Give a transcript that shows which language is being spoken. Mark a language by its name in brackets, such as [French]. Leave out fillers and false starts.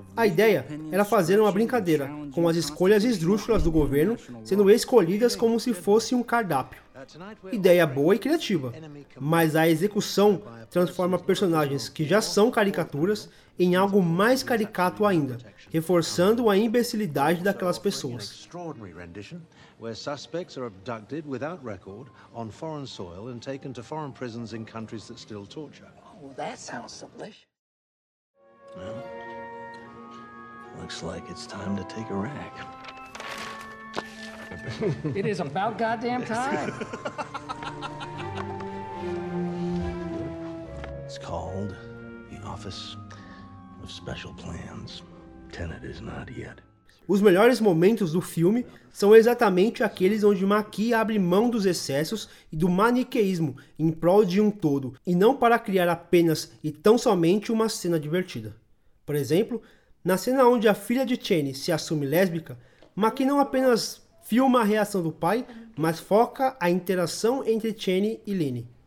[Portuguese] A ideia era fazer uma brincadeira com as escolhas esdrúxulas do governo sendo escolhidas como se fosse um cardápio. Ideia boa e criativa, mas a execução transforma personagens que já são caricaturas em algo mais caricato ainda, reforçando a imbecilidade daquelas pessoas. [English] Where suspects are abducted without record on foreign soil and taken to foreign prisons in countries that still torture. Oh, that sounds delicious. Well, looks like it's time to take a rack. It is about goddamn time. It's called the Office of Special Plans. Tenet is not yet. [Portuguese] Os melhores momentos do filme são exatamente aqueles onde McKay abre mão dos excessos e do maniqueísmo em prol de um todo, e não para criar apenas e tão somente uma cena divertida. Por exemplo, na cena onde a filha de Cheney se assume lésbica, McKay não apenas filma a reação do pai, mas foca a interação entre Cheney e Lenny.